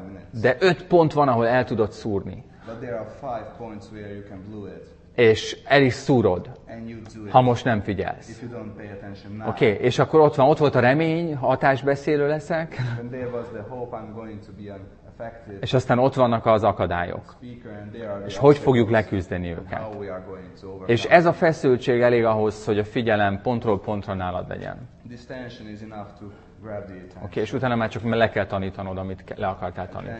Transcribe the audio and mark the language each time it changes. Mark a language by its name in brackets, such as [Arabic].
[Hungarian] De 5 pont van, ahol el tudod szúrni. [English] But there are 5 points where you can blow it. [Hungarian] És el is szúrod, ha most nem figyelsz. Oké, okay, és akkor ott volt a remény, hatásbeszélő leszek. [English] And there was the hope I'm going to be an effective. [Hungarian] És aztán ott vannak az akadályok. [English] Speaker, and there are the [Hungarian] és hogy fogjuk leküzdeni őket. [English] How we are going to overcome. [Hungarian] És ez a feszültség elég ahhoz, hogy a figyelem pontról pontra nálad legyen. [English] This tension is enough to grab the attention. [Hungarian] Okay, és utána már csak le kell tanítanod, amit le akartál tanítani.